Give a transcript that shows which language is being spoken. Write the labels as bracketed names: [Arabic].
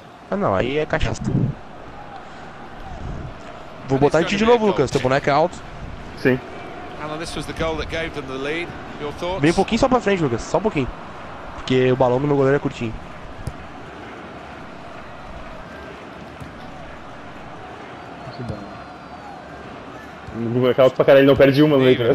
[Portuguese] Ah, não, aí é cachaça. Vou botar em ti de novo, Lucas. Teu boneco é alto. Sim. [English] Alan, this was the goal that gave them the lead. Your thoughts? [Portuguese] Bem pouquinho só pra frente, Lucas. Só um pouquinho. Porque o balão do meu goleiro é curtinho. Que bom. É alto pra caralho, ele não perde uma, né?